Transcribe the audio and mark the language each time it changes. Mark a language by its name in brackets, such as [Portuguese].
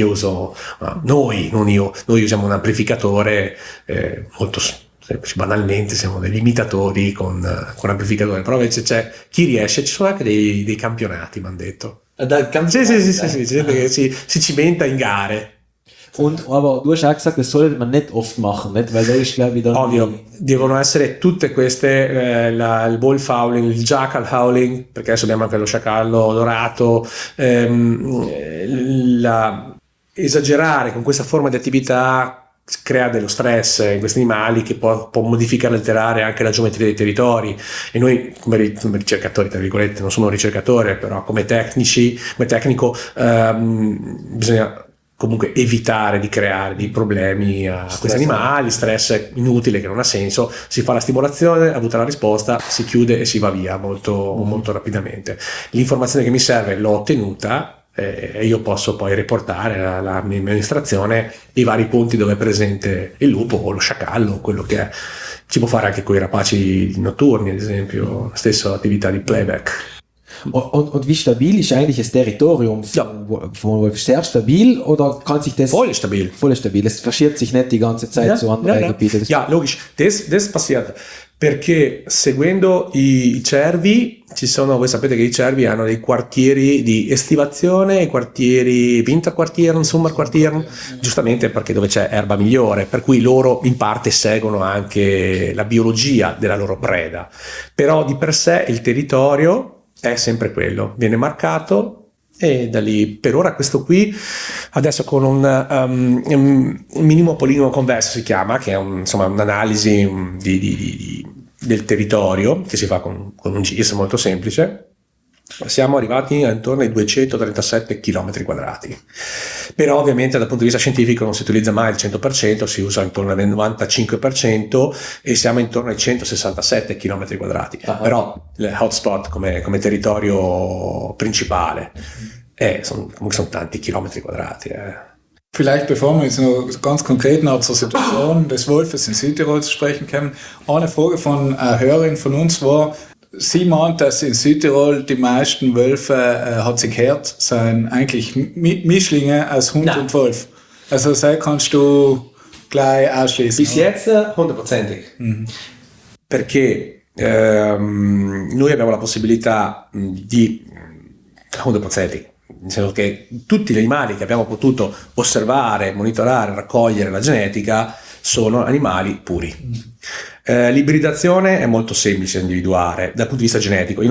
[Italian] Io uso, noi usiamo un amplificatore molto semplice, banalmente siamo degli imitatori con amplificatore, però invece c'è chi riesce, ci sono anche dei campionati, mi hanno detto. Dal campionato? Sì, c'è gente che si cimenta in gare. [German] Und, aber du hast auch gesagt, das sollte man nicht oft machen, nicht? Weil da ist, glaube ich, dann [Italian] ovvio, devono essere tutte queste, il wolf howling, il jackal howling, perché adesso abbiamo anche lo sciacallo dorato, esagerare con questa forma di attività crea dello stress in questi animali che può modificare e alterare anche la geometria dei territori. E noi come ricercatori, tra virgolette, non sono un ricercatore, però come tecnico bisogna comunque evitare di creare dei problemi a questi animali, stress inutile che non ha senso, si fa la stimolazione, ha avuto la risposta, si chiude e si va via molto, molto rapidamente. L'informazione che mi serve l'ho ottenuta e io posso poi riportare alla mia amministrazione i vari punti dove è presente il lupo o lo sciacallo, quello che è. Si può fare anche con i rapaci notturni, ad esempio, la stessa attività di playback. [German] Und wie stabil ist eigentlich das Territorium von Wolf? Sehr stabil oder kann sich das... Voll stabil. Voll stabil. Es verschiebt sich nicht die ganze Zeit zu anderen Gebieten. Ja, logisch. Das passiert. [Italian] Perché seguendo i cervi, voi sapete che i cervi hanno dei quartieri di estivazione, i quartieri winterquartier, summerquartier, giustamente perché dove c'è erba migliore, per cui loro in parte seguono anche la biologia della loro preda. Però di per sé il territorio è sempre quello, viene marcato e da lì per ora questo qui, adesso con un minimo poligono convesso si chiama, che è insomma un'analisi del territorio che si fa con un GIS molto semplice, siamo arrivati intorno ai 237 km quadrati, però ovviamente dal punto di vista scientifico non si utilizza mai il 100%, si usa intorno al 95% e siamo intorno ai 167 km quadrati, però il hotspot come territorio principale, comunque sono tanti chilometri quadrati. [German] Vielleicht bevor wir jetzt noch ganz konkret noch zur Situation des Wolfes in Südtirol zu sprechen kommen, eine Frage von einer Hörerin von uns war, sie meint, dass in Südtirol die meisten Wölfe, hat sie gehört, seien eigentlich Mischlinge aus Hund und Wolf. Also das kannst du gleich ausschließen. Bis jetzt hundertprozentig. [Italian] Perché noi abbiamo la possibilità di 100%, nel senso che tutti gli animali che abbiamo potuto osservare, monitorare, raccogliere la genetica sono animali puri. L'ibridazione è molto semplice da individuare dal punto di vista genetico.